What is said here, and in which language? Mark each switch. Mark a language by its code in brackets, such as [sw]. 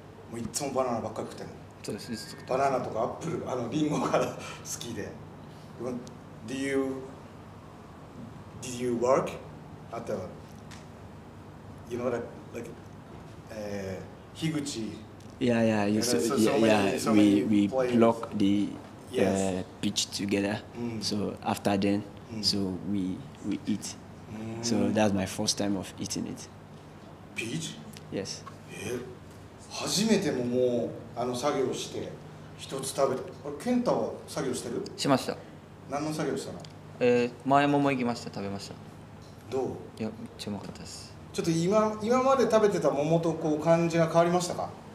[ja] もういつもバナナばっかり食ってんの。そうです、そうです。バナナとかアップル、あのリンゴから好きで。 [en] Did you work at the, you know that, like, Higuchi? Yeah, yeah, you know, so, yeah, so yeah, many, yeah. So we pluck the peach together. So after then, so we eat. So that's my first time of eating it. Peach? Yes. Yeah. [ja] 初めてももうあの作業して一つ食べて、あれケンタは作業してる？しました。何の作業したの？前もも行きました、食べました。どう？いや、めっちゃうまかったです。ちょっと今まで食べてた桃とこう感じが変わりましたか？